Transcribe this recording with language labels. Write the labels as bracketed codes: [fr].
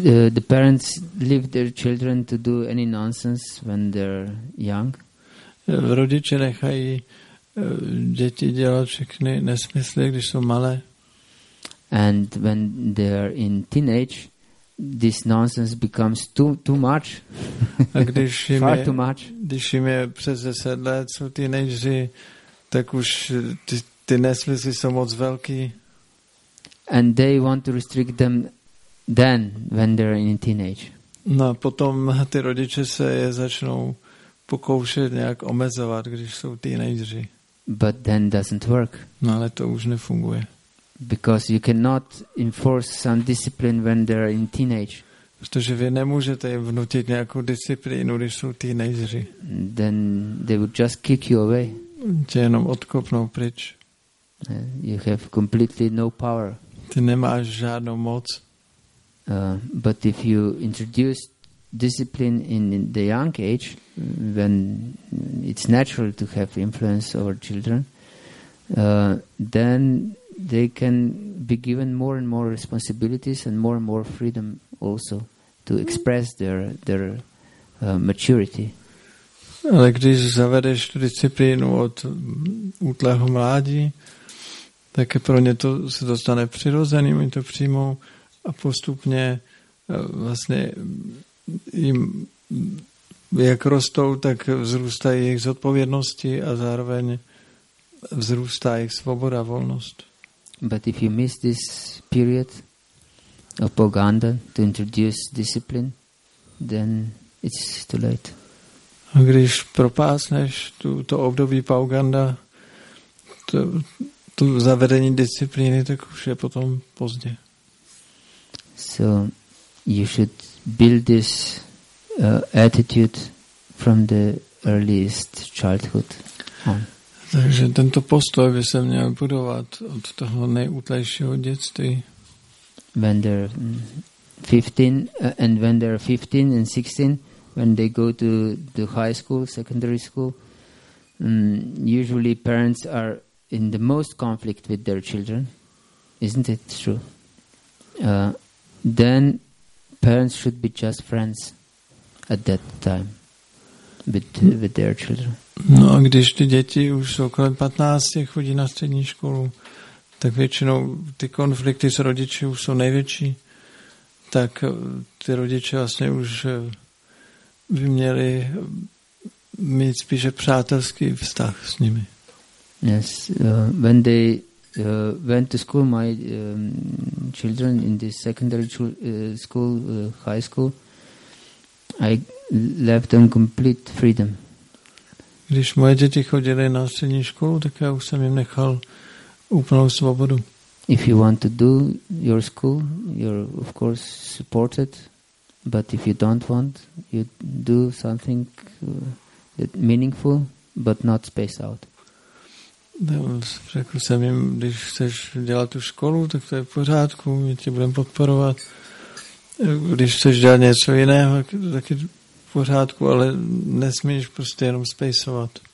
[en] The parents leave their children to do any nonsense when they're young. [cs] Rodiče nechají děti dělat všechny nesmysly, když jsou malé. [en] And when they're in teenage, this nonsense becomes too much. [cs] A když jim [en] far [cs] je, [en] too much. [cs] Když jim je přes 10 let, jsou teenageři, tak už ty nesmysly jsou moc velký. [en] And they want to restrict them then, when they're in teenage. [cs] No, potom ty rodiče se je začnou pokoušet nějak omezovat, když jsou teenageři. [en] But then doesn't work. [cs] No, ale to už nefunguje. [en] Because you cannot enforce some discipline when they're in teenage. [cs] Protože vy nemůžete vnutit nějakou disciplínu, když jsou teenageři. [en] Then they would just kick you away. [cs] Tě jenom odkopnou pryč. [en] You have completely no power. [cs] Ty nemáš žádnou moc. [en] But if you introduce discipline in the young age, when it's natural to have influence over children, then they can be given more and more responsibilities and more freedom also to express their maturity. [cs] Ale když zavedeš tu disciplínu od útlého mládí, tak pro ně to se dostane přirozeným, oni to přijmou a postupně vlastně jim, jak rostou, tak vzrůstají jejich zodpovědnosti a zároveň vzrůstá jejich svoboda, volnost. [en] But if you miss this period of Pauganda to introduce discipline, then it's too late. [cs] A když propásneš to období Pauganda, to zavedení disciplíny, tak už je potom pozdě. [en] So you should build this attitude from the earliest childhood. [cs] Takže tento postoj by se měl budovat od toho nejútlejšího dětství. [en] When they're 15 and when they're 15 and 16, when they go to the high school, secondary school, usually parents are in the most conflict with their children, isn't it true? Then parents should be just friends at that time with their children. [cs] No a když ty děti už jsou kolem 15, chodí na střední školu, tak většinou ty konflikty s rodiči už jsou největší, tak ty rodiče vlastně už by měli mít spíše přátelský vztah s nimi. [en] Yes, when they went to school, my children in the secondary school, high school, I left them complete freedom. [cs] Když moje děti chodili na střední školu, tak já už jsem jim nechal úplnou svobodu. [en] If you want to do your school, you're of course supported, but if you don't want, you do something meaningful, but not space out. [cs] Řekl jsem jim, když chceš dělat tu školu, tak to je v pořádku, my tě budeme podporovat. Když chceš dělat něco jiného, tak je v pořádku, ale nesmíš prostě jenom spacovat.